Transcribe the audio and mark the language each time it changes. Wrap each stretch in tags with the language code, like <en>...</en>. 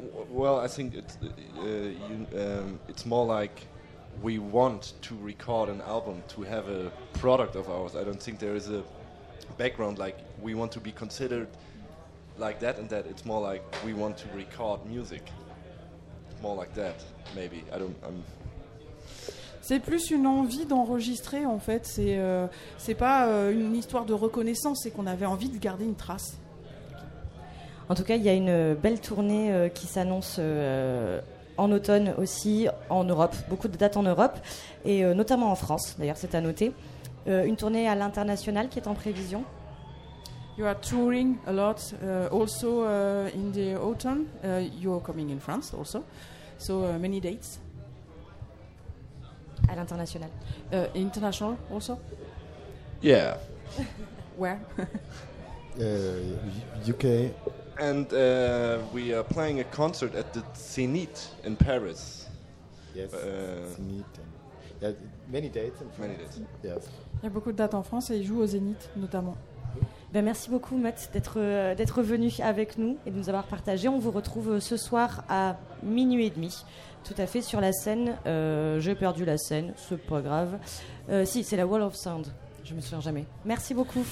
<en>Well, I think it's more like we want to record an album to have a product of ours. I don't think there is a background like we want to be considered like that and that. It's more like we want to record music. More like that, maybe. I don't. I'm</en> <fr>C'est plus une envie d'enregistrer, en fait. C'est pas une histoire de reconnaissance, c'est qu'on avait envie de garder une trace. En tout cas, il y a une belle tournée qui s'annonce en automne aussi, en Europe. Beaucoup de dates en Europe, et notamment en France, d'ailleurs, c'est à noter. Une tournée à l'international qui est en prévision.</fr> <en>You are touring a lot also in the autumn. You are coming in France also. So many dates.</en> <fr>À l'international.</fr> <en>International also? Yeah. Where? UK. And we are playing a concert at the Zenith in Paris. Yes, Zenith. Many dates in France. Many dates. Yes.</en> <fr>Il y a beaucoup de dates en France et ils jouent au Zénith notamment. Ben merci beaucoup Matt d'être venu avec nous et de nous avoir partagé. On vous retrouve ce soir à 00h30, tout à fait sur la scène. J'ai perdu la scène, c'est pas grave. Si, c'est la Wall of Sound. Je me souviens jamais. Merci beaucoup.</fr>